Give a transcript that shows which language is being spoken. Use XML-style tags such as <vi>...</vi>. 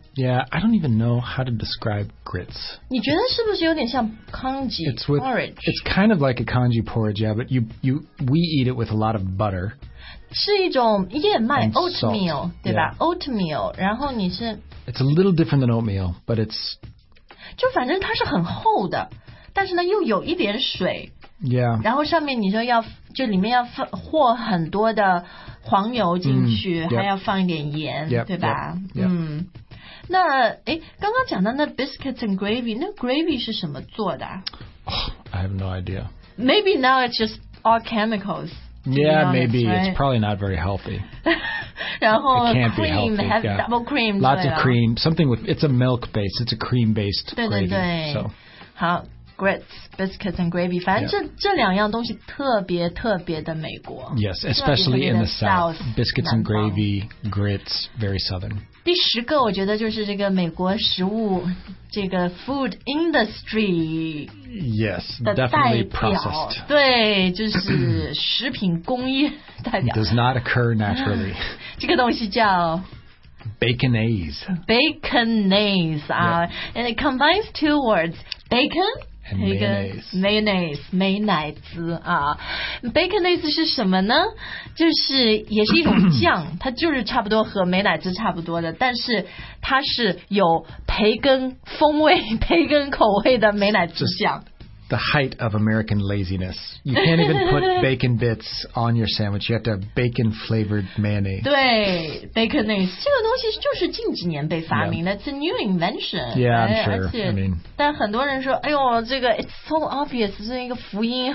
<en>yeah I don't even know how to describe grits</en> <zh>你觉得是不是有点像 congee porridge</zh> <en>it's kind of like a congee porridge yeah but we eat it with a lot of butter</en> <zh>是一种燕麦 oatmeal、</zh> <en>salt.</en> <zh>对吧、</zh> <en>yeah.</en> <zh>oatmeal 然后你是</zh> <en>it's a little different than oatmeal but it's</en> <zh>就反正它是很厚的但是呢又有一点水</zh> <en>yeah</en> <zh>然后上面你说要就里面要和很多的黄油进去、</zh> <en>mm, yep.</en> <zh>还要放一点盐</zh> <en>yep,</en> <zh>对吧</zh> <en>yep,</en> <zh>yep. 嗯，那诶刚刚讲到那 biscuits and gravy 那 gravy 是什么做的、</zh> <en>oh, I have no idea maybe now it's just all chemicals yeah honest, maybe、 right? it's probably not very healthy</en> <zh>然后</zh> <en>it can't cream be healthy, have、 yeah. double cream lots of cream something with it's a milk based it's a cream based</en> <zh>对对对</zh> <en>gravy, so. 好Grits, biscuits and gravy.</en> <zh>反正 这两样东西特别特别的美国。</zh> <en>Yes, especially in the South. Biscuits and gravy, grits, very Southern.</en> <zh>第十个我觉得就是这个美国食物这个 food industry.</zh> <en>Yes, definitely processed.</en> <zh>对就是食品工业代表。</zh> <en>Does not occur naturally.</en> <zh>这个东西叫</zh> <en>Baconaise. Baconaise.、 Yeah. And it combines two words. Bacon and mayonnaise.</en> <zh>Mayonnaise, 美乃滋啊。Baconese 是什么呢？就是也是一种酱，它就是差不多和美乃滋差不多的，但是它是有培根风味、培根口味的美乃滋酱。</zh> <en>The height of American laziness. You can't even put bacon bits on your sandwich. You have to have bacon-flavored mayonnaise.</en> <zh>对 ，baconese 这个东西就是近几年被发明的。</zh> <en>It's a new invention. Yeah, I'm sure. I mean,</en> <zh>但很多人说，哎呦，这个 it's so obvious, 这一个福音。</zh>